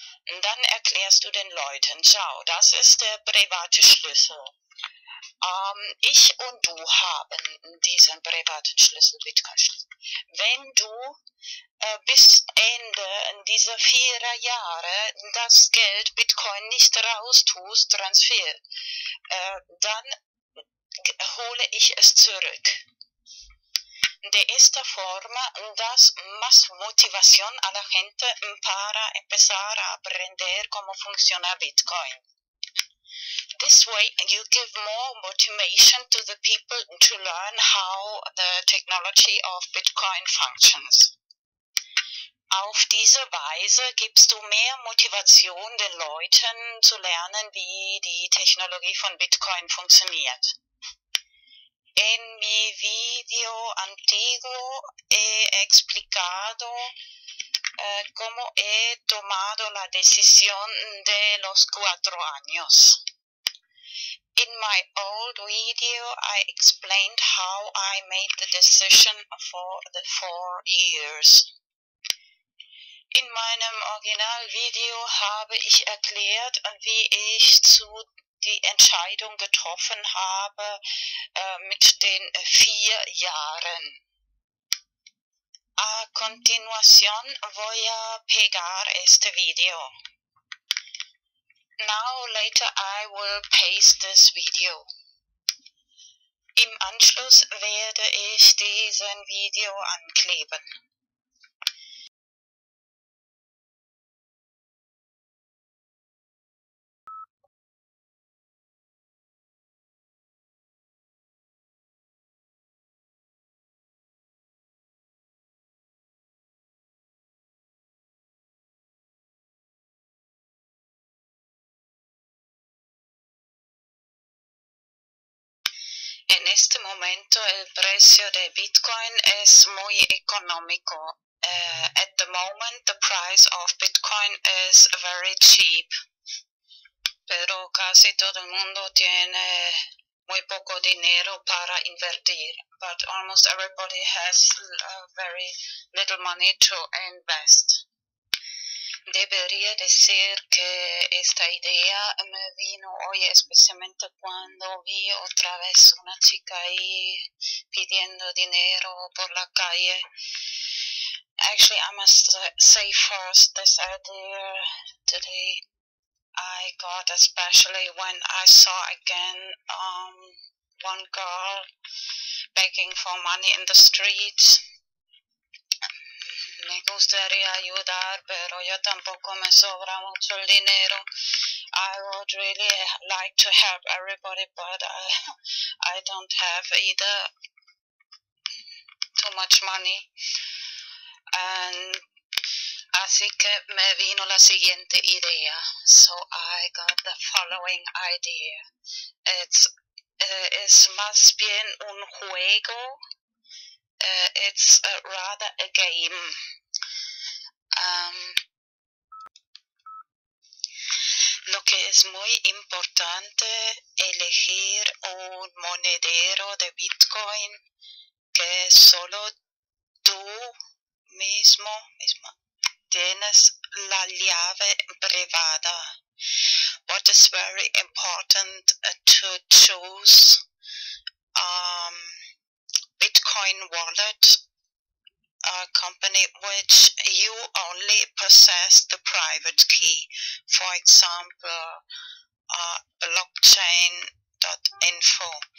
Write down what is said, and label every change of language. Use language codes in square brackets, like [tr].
[de] Und dann erklärst du den Leuten, schau, das ist der private Schlüssel. Ich und du haben diesen privaten Schlüssel, Bitcoin-Schlüssel. Wenn du bis Ende dieser 4 Jahre das Geld Bitcoin nicht raus tust, Transfer, dann hole ich es zurück. [es] De esta forma das más motivación a la gente para empezar a aprender cómo funciona Bitcoin. [en] This way, you give more motivation to the people to learn how the technology of Bitcoin functions. [de] Auf diese Weise gibst du mehr Motivation den Leuten zu lernen, wie die Technologie von Bitcoin funktioniert. [es] En mi video antiguo he explicado cómo he tomado la decisión de los 4 años. [en] In my old video, I explained how I made the decision for the 4 years. [de] In meinem Originalvideo habe ich erklärt, wie ich zu die Entscheidung getroffen habe mit den 4 Jahren. [es] A continuación voy a pegar este video. [en] Now later I will paste this video. [de] Im Anschluss werde ich diesen Video ankleben. [es] En este momento el precio de Bitcoin es muy económico. [en] At the moment the price of Bitcoin is very cheap. [es] Pero casi todo el mundo tiene muy poco dinero para invertir. [en] But almost everybody has very little money to invest. [es] Debería decir que esta idea me vino hoy especialmente cuando vi otra vez una chica ahí pidiendo dinero por la calle. [en] Actually, I must say first this idea today I got especially when I saw again one girl begging for money in the streets. [es] Me gustaría ayudar, pero yo tampoco me sobra mucho el dinero. [en] I would really like to help everybody, but I don't have either too much money. [es] And así que me vino la siguiente idea. [en] So I got the following idea. It's [es] más bien un juego. [en] It's rather a game. [es] Lo que es muy importante elegir un monedero de Bitcoin que solo tú mismo tienes la llave privada. [en] What is very important to choose Bitcoin wallet, a company which you only possess the private key, for example, blockchain.info.